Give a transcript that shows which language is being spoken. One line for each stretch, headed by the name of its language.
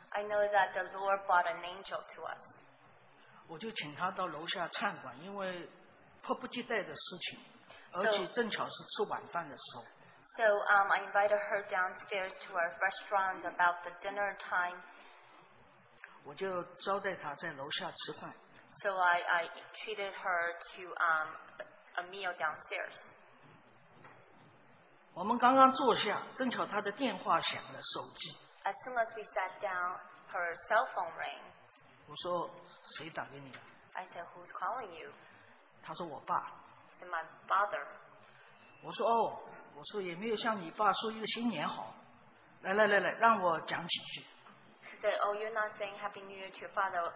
English: I know that the Lord brought an angel to us.
Chinese: 我就请她到楼下餐馆, 因为 迫不及待的事情, 而且正巧是吃晚饭的时候。
English: So I invited her downstairs to our restaurant about the dinner time.
Chinese: 我就招待她在楼下吃饭。
English: So I treated her to a meal downstairs.
Chinese: 我们刚刚坐下, 正巧她的电话响了, 手机。
English: As soon as we sat down, her cell phone rang.
Chinese: 我说, 谁打给你?
English: I said, who's calling you?
Chinese: 他说我爸。
English: Said my father.
Chinese: 我说哦, 我说也没有向你爸说一个新年好。来来来来，让我讲几句。
English: He said, oh, you're not saying Happy New Year to your father.